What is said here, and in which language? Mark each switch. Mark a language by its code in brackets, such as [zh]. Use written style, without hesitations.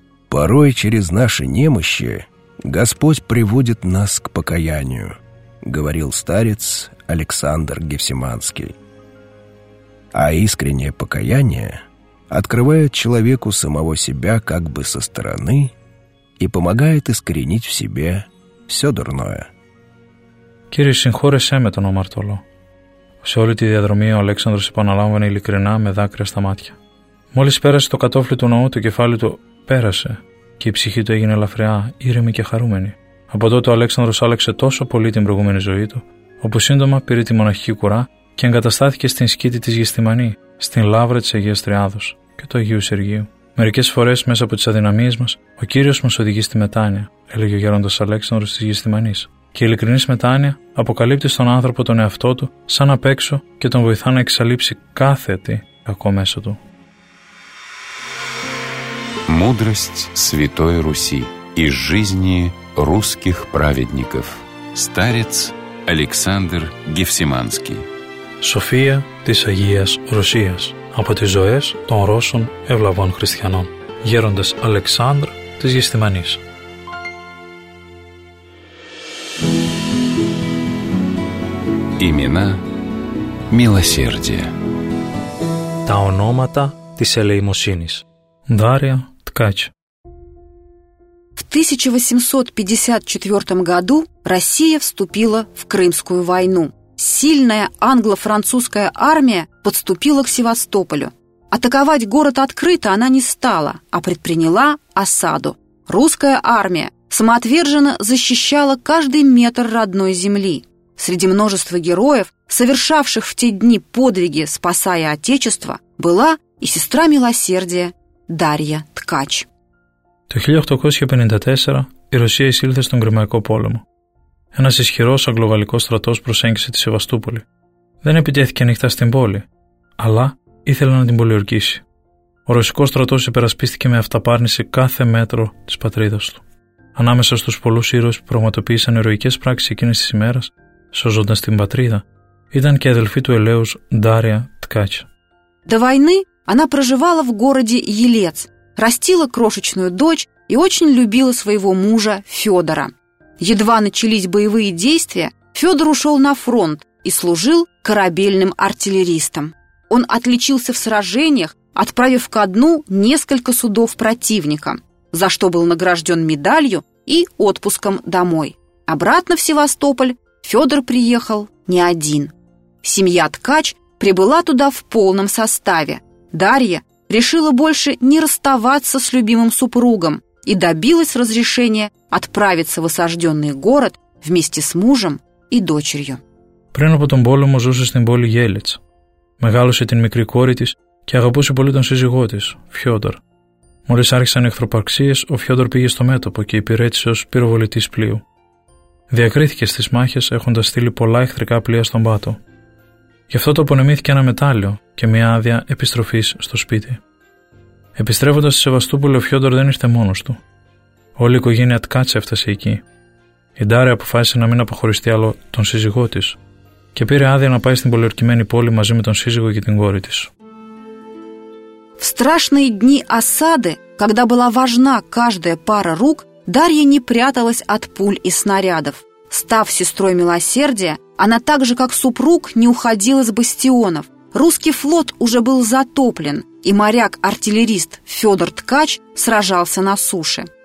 [ru] «Порой через наши немощи Господь приводит нас к покаянию», говорил старец Александр Гефсиманский. А искреннее покаяние открывает человеку самого себя как бы со стороны и помогает искоренить в себе все дурное. [el] Кири, συγχώρεσέ με τον αμαρτωλό. Σε όλη τη διαδρομή ο Αλέξανδρος επαναλάμβανε ειλικρινά με δάκρυα στα μάτια. Μόλις πέρασε το κατόφλι του ναού, το κεφάλι του πέρασε και η ψυχή του έγινε ελαφριά, ήρεμη και χαρούμενη. Από τότε ο Αλέξανδρος άλλαξε τόσο πολύ την προηγούμενη ζωή του, όπου σύντομα πήρε τη μοναχική κουρά και εγκαταστάθηκε στην σκήτη της Γεστημανή, στην Λαύρα της Αγίας Τριάδος και του Αγίου Σεργίου. Μερικές φορές μέσα από τις αδυναμίες μας, ο Κύριος μας οδηγεί στη μετάνοια, έλεγε ο γέροντας Αλέξανδρος της Γεστημανής. Και η ειλικρινής μετάνοια αποκαλύπτει στον άνθρωπο τον εαυτό του σαν απ' έξω και τον βοηθά να εξαλείψει κάθε τι κακό μέσα του. [ru] Мудрость Святой Руси из жизни русских праведников. Старец Александр Гефсиманский. [el] София της Αγίας Ρωσίας. Από τις ζωές των Ρώσων ευλαβών χριστιανών. Γέροντας Αλεξάνδρ της Γεστημανής. [ru] Имена милосердия. [el] Τα ονόματα της ελεημοσύνης. [ru] Дарья Ткач. В 1854 году Россия вступила в Крымскую войну. Сильная англо-французская армия подступила к Севастополю. Атаковать город открыто она не стала, а предприняла осаду. Русская армия самоотверженно защищала каждый метр родной земли. Среди множества героев, совершавших в те дни подвиги, спасая Отечество, была и сестра милосердия Дарья Ткач. [el] Το 1854 η Ρωσία εισήλθε στον Κρυμαϊκό πόλεμο. Ένας ισχυρός αγγλοβαλλικός στρατός προσέγγισε τη Σεβαστούπολη. Δεν επιτέθηκε ανοιχτά στην πόλη, αλλά ήθελε να την πολιορκήσει. Ο ρωσικός στρατός υπερασπίστηκε με αυταπάρνηση κάθε μέτρο της πατρίδας του. Ανάμεσα στους πολλούς ήρωες που πραγματοποίησαν ηρωικές πράξεις εκείνης της ημέρας, σώζοντας την πατρίδα, ήταν και η αδελφή του ελέους Ντάρια Ткач. [ru] Она проживала в городе Елец, растила крошечную дочь и очень любила своего мужа Федора. Едва начались боевые действия, Федор ушел на фронт и служил корабельным артиллеристом. Он отличился в сражениях, отправив ко дну несколько судов противника, за что был награжден медалью и отпуском домой. Обратно в Севастополь Федор приехал не один. Семья Ткач прибыла туда в полном составе. Дарья решила больше не расставаться с любимым супругом и добилась разрешения отправиться в осажденный город вместе с мужем и дочерью. [el] Πριν από τον πόλεμο ζούσε στην πόλη Γέλιτς. Μεγάλωσε την μικρή κόρη της και αγαπούσε πολύ τον σύζυγό της, Φιόδωρ. Μόλις άρχισαν οι εχθροπαρξίες, ο Φιόδωρ πήγε στο μέτωπο και υπηρέτησε ως πυροβολητής πλοίου. διακρίθηκε στις μάχες έχοντας στείλει πολλά εχθρικά πλοία στον πάτο. Γι' αυτό τοπονεμήθηκε ένα μετάλλιο και μια άδεια επιστροφής στο σπίτι. Επιστρέφοντας στη Σεβαστούπολη, ο Φιόντορ δεν ήρθε μόνος του. Όλη η οικογένεια Τκάτσε έφτασε εκεί. Η Ντάρια αποφάσισε να μην αποχωριστεί άλλο τον σύζυγό της και πήρε άδεια να πάει στην πολιορκημένη πόλη μαζί με τον σύζυγο και την κόρη της. [ru] В страшные дни осады, когда была важна каждая пара рук, Дарья не пряталась от пуль и снарядов. Став сестрой милосердия, она так же, как супруг, не уходила с бастионов. Русский флот уже был затоплен, и моряк-артиллерист Федор Ткач сражался на суше.